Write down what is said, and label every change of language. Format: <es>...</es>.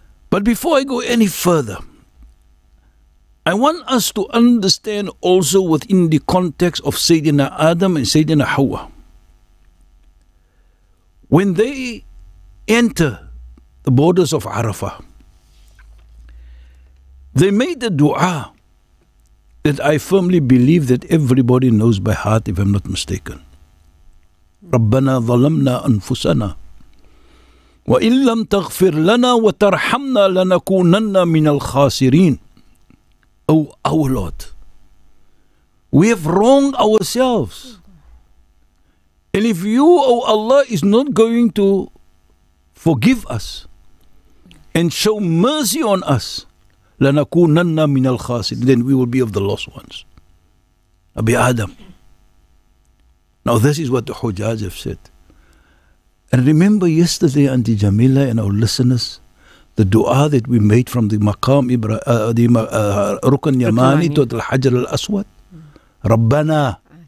<en>But before I go any further, I want us to understand also within the context of Sayyidina Adam and Sayyidina Hawa. When they enter the borders of Arafah, They made a dua that I firmly believe that everybody knows by heart, if I'm not mistaken.</en> <ar>رَبَّنَا ظَلَمْنَا أَنفُسَنَا وَإِن لَمْ تَغْفِرْ لَنَا وَتَرْحَمْنَا لَنَكُونَنَّ مِنَ الْخَاسِرِينَ</ar> <en>Oh, our Lord, we have wronged ourselves. And if you, O Allah, is not going to forgive us and show mercy on us,</en> <ar>لَنَكُونَنَّ مِنَ الْخَاسِرِينَ,</ar> <en>then we will be of the lost ones. Abi Adam. Now this is what the Hujjaj have said. And remember yesterday, Auntie Jamila and our listeners, the dua that we made from the Maqam Rukn Yamani to the Hajar al-Aswad? Rabbana.</en>